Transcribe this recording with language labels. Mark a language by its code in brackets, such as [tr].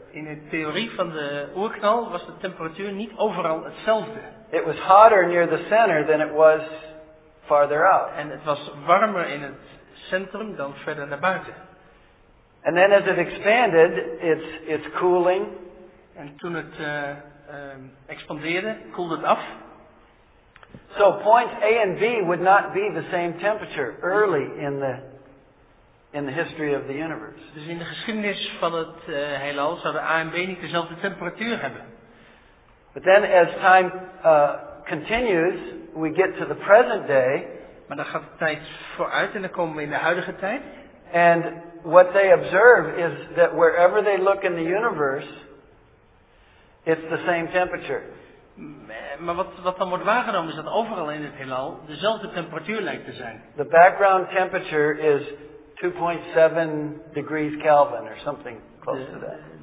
[nl] In de theorie van de oerknal was de temperatuur niet overal hetzelfde. [en] It was hotter near the center than it was farther out. [nl] En het was warmer in het centrum dan verder naar buiten. [en] And then as it expanded, it's cooling. [nl] En toen het expandeerde, koelde het af. [en] So points A and B would not be the same temperature early in the history of the universe. [nl] Dus in de geschiedenis van het heelal zouden A en B niet dezelfde temperatuur hebben. [en] But then as time continues, we get to the present day. [nl] Maar dan gaat de tijd vooruit en dan komen we in de huidige tijd. [en] And what they observe is that wherever they look in the universe, it's the same temperature. [nl] Maar wat dan wordt waargenomen is dat overal in het heelal dezelfde temperatuur lijkt te zijn. [en] The background temperature is 2.7 degrees Kelvin or something close to that.